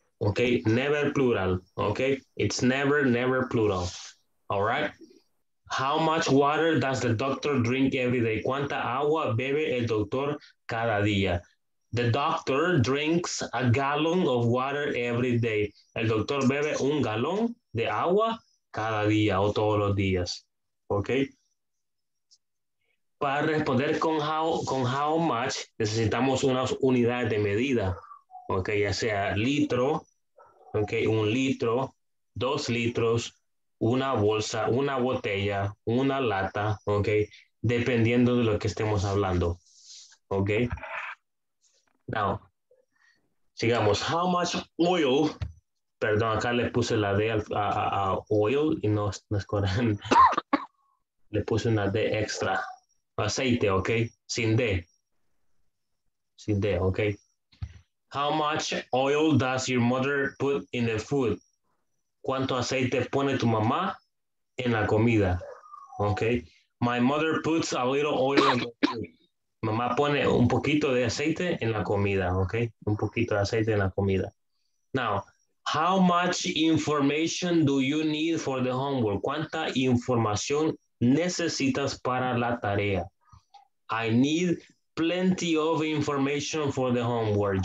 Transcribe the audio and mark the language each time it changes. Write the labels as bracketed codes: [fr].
[en] Okay, never plural. Okay, it's never plural. All right. How much water does the doctor drink every day? [es] ¿Cuánta agua bebe el doctor cada día? [en] The doctor drinks a gallon of water every day. [es] El doctor bebe un galón de agua cada día o todos los días. Okay. Para responder con how much, necesitamos unas unidades de medida. Okay, ya sea litro. Okay, un litro, 2 litros, una bolsa, una botella, una lata, okay, dependiendo de lo que estemos hablando. Okay. [en] Now, sigamos. How much oil? [es] Perdón, acá le puse la D a oil y no es correcto. Le puse una D extra. Aceite, okay. Sin D, okay. [en] How much oil does your mother put in the food? [es] ¿Cuánto aceite pone tu mamá en la comida? Okay. [en] My mother puts a little oil in the food. [es] Mamá pone un poquito de aceite en la comida. Okay. Un poquito de aceite en la comida. [en] Now, how much information do you need for the homework? [es] ¿Cuánta información necesitas para la tarea? [en] I need plenty of information for the homework.